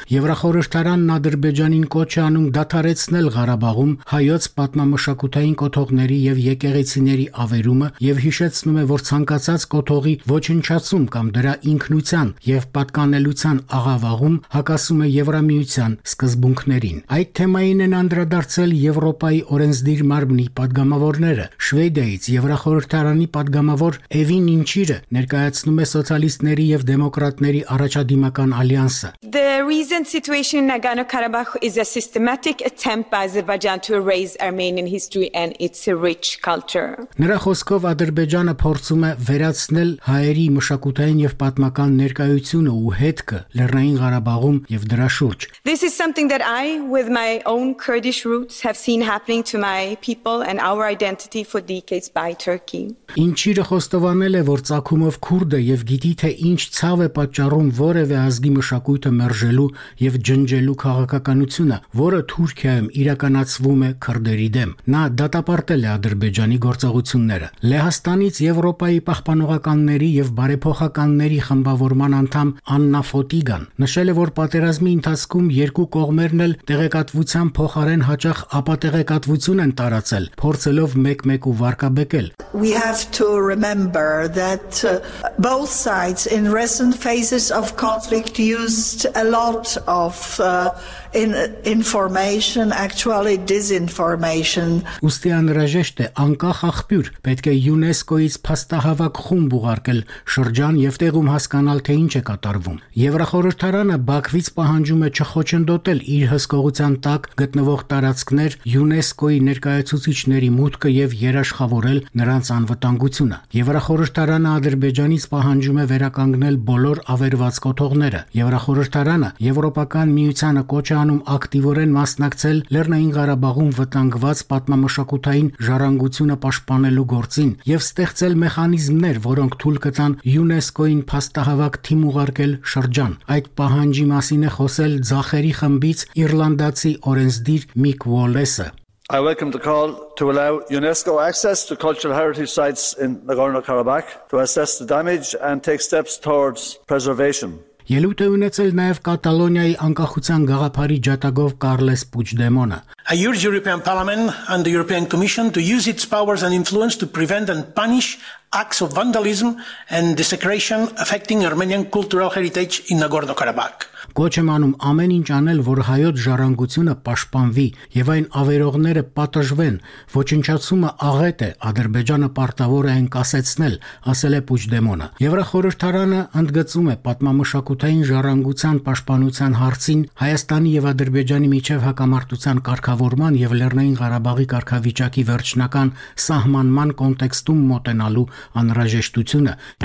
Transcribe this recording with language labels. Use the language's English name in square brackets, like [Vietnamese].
[Armenian] Եվրախորհրդարանն Ադրբեջանին կոչ է անում դադարեցնել Ղարաբաղում հայոց պատմամշակութային կոթողների եւ եկեղեցիների ավերումը եւ հիշեցնում է, որ ցանկացած կոթողի ոչնչացում կամ դրա ինքնության եւ պատկանելության աղավաղում հակասում է Եվրամիության սկզբունքներին։ Այդ թեմային են անդրադարձել Եվրոպայի օրենսդիր մարմնի падգամավորները։ Շվեդիայից Եվրախորհրդարանի падգամավոր Էվին Ինչիրը ներկայացնում է սոցիալիստների եւ դեմոկրատների առաջադիմական ալյանսը։ [English] Karabakh is a systematic attempt by Azerbaijan to erase Armenian history and its rich culture. [Armenian] Նրա խոսքով Ադրբեջանը փորձում է վերացնել հայերի մշակութային եւ պատմական ներկայությունը ու հետքը Լեռնային Ղարաբաղում եւ դրա շուրջ. [English] This is something that I with my own Kurdish roots have seen happening to my people and our identity for decades by Turkey. [Armenian] Ինչիրը խոստովանել է, որ ցակումով քուրդը եւ գիտի թե ինչ ցավ է պատճառում որևէ ազգի մշակույթը մերժելու եւ ջնջելու քաղաքականությունը. գործողությունը, որը Թուրքիայում իրականացվում է քրդերի դեմ։ Նա դատապարտել է Ադրբեջանի գործողությունները։ Լեհաստանից Եվրոպայի պահպանողականների եւ բարեփոխականների խմբավորման անդամ Աննա Ֆոտիգան նշել է, որ պատերազմի ընթացքում երկու կողմերն էլ տեղեկատվության փոխարեն հաճախ ապատեղեկատվություն են տարածել, փորձելով մեկ-մեկու վարկաբեկել։ [English] We have to remember that both sides in recent phases of conflict used a lot of information, actually disinformation. [Armenian] Ուստի անհրաժեշտ է անկախ աղբյուր պետք է UNESCO-ից փաստահավաք խումբ ուղարկել շրջան եւ տեղում հասկանալ, թե ինչ է կատարվում։ Եվրախորհրդարանը Բաքվից պահանջում է չխոչընդոտել իր հսկողության տակ գտնվող տարածքներ, UNESCO-ի ներկայացուցիչների մուտքը եւ երաշխավորել նրանց անվտանգությունը։ Եվրախորհրդարանը Ադրբեջանից պահանջում է վերականգնել բոլոր ավերված կոթողները։ Եվրախորհրդարանը Եվրոպական միությանը կոչանում ակտիվորեն մասնակցել Լեռնային Ղարաբաղում վտանգված պատմամշակութային ժառանգությունը պաշտպանելու գործին եւ ստեղծել մեխանիզմներ, որոնք թույլ կտան UNESCO-ին փաստահավաք թիմ ուղարկել շրջան։ Այդ պահանջի մասին է խոսել Ձախերի խմբից Իռլանդացի օրենսդիր Միկ Ուոլեսը։ [English] I welcome the call to allow UNESCO access to cultural heritage sites in Nagorno-Karabakh to assess the damage and take steps towards preservation. [Armenian] Ելույթ է ունեցել նաև Կատալոնիայի անկախության գաղափարի ջատագով Կարլես Պուչդեմոնը. [English] I urge European Parliament and the European Commission to use its powers and influence to prevent and punish acts of vandalism and desecration affecting Armenian cultural heritage in Nagorno-Karabakh. [Armenian] Կոչ եմ անում ամեն ինչ անել, որ հայոց ժառանգությունը պաշտպանվի եւ այն ավերողները պատժվեն, ոչնչացումը աղետ է, Ադրբեջանը պարտավոր է ենկասեցնել, ասել է Պուչդեմոնը։ Եվրախորհրդարանը ընդգծում է պատմամշակութային ժառանգության պաշտպանության հարցին Հայաստանի եւ Ադրբեջանի միջև հակամարտության կարգավորման եւ Լեռնային Ղարաբաղի կարգավիճակի վերջնական սահմանման կոնտեքստում մոտենալու անհրաժեշտությունը։